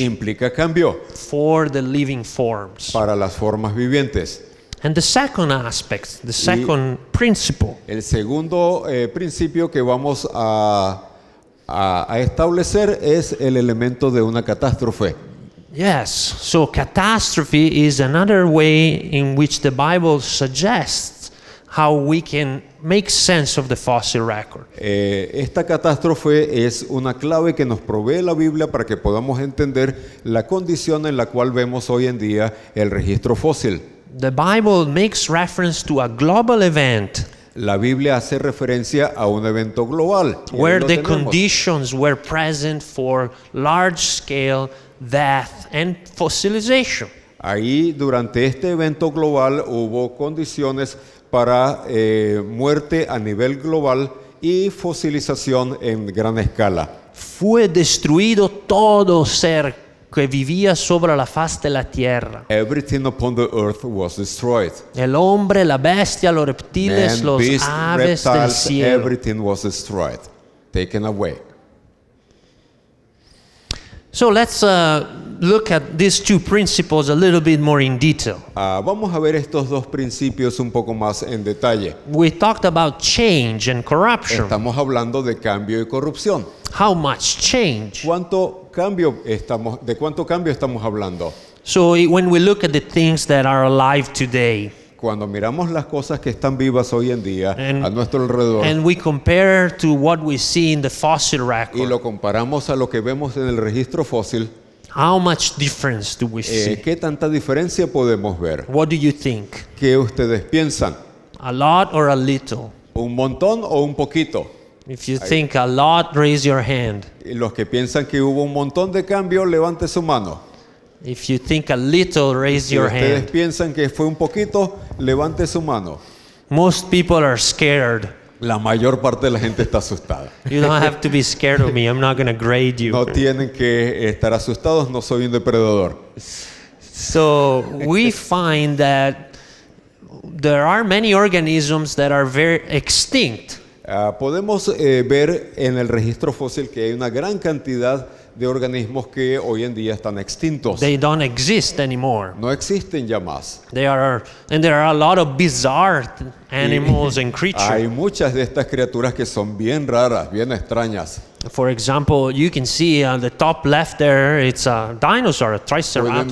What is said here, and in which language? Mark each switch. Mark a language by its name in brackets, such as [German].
[Spanish] Implica cambio. [English] For the living forms. [Spanish] Para las formas vivientes. [English] And the second aspect, the second principle. [Spanish] El segundo principio que vamos a establecer es el elemento de una catástrofe. [English] Yes, so catastrophe is another way in which the Bible suggests how we can make sense of the fossil record. [Spanish] Esta catástrofe es una clave que nos provee la Biblia para que podamos entender la condición en la cual vemos hoy en día el registro fósil. [English] The Bible makes reference to a global event. [Spanish] La Biblia hace referencia a un evento global. [English] Where the conditions were present for large-scale death and fossilization. [Spanish] Ahí, durante este evento global, hubo condiciones para muerte a nivel global y fosilización en gran escala. Fue destruido todo ser que vivía sobre la faz de la tierra. [English] Everything upon the earth was destroyed. [Spanish] El hombre, la bestia, los reptiles, [English] man, [Spanish] los [English] beast, [Spanish] aves reptiles, del cielo. [English] Everything was destroyed, taken away. So let's look at these two principles a little bit more in detail. [Spanish] Vamos a ver estos dos principios un poco más en detalle. [English] We talked about change and corruption. [Spanish] Estamos hablando de cambio y corrupción. [English] How much change? [Spanish] ¿De cuánto cambio estamos hablando? [English] So when we look at the things that are alive today. [Spanish] Cuando miramos las cosas que están vivas hoy en día a nuestro alrededor. [English] And we compare to what we see in the fossil record. [Spanish] Y lo comparamos a lo que vemos en el registro fósil. [English] How much difference do we see? [Spanish] ¿Qué tanta diferencia podemos ver? [English] What do you think? [Spanish] ¿Qué ustedes piensan? [English] A lot or a little? [Spanish] ¿Un montón o un poquito? [English] If you think a lot, raise your hand. [Spanish] Y los que piensan que hubo un montón de cambio, levante su mano. [English] If you think a little, raise your hand. [Spanish] Si ustedes piensan que fue un poquito, levante su mano. [English] Most people are scared. [Spanish] La mayor parte de la gente está asustada. [English] You don't have to be scared of me. I'm not going to grade you. [Spanish] No tienen que estar asustados. No soy un depredador. [English] So we find that there are many organisms that are very extinct. [Spanish] Podemos ver en el registro fósil que hay una gran cantidad de organismos que hoy en día están extintos. [English] They don't exist anymore. [Spanish] No existen ya más. [English] There are a lot of bizarre animals and creatures. [Spanish] Hay muchas de estas criaturas que son bien raras, bien extrañas. [English] For example, you can see on the top left there, it's a dinosaur, a triceratops.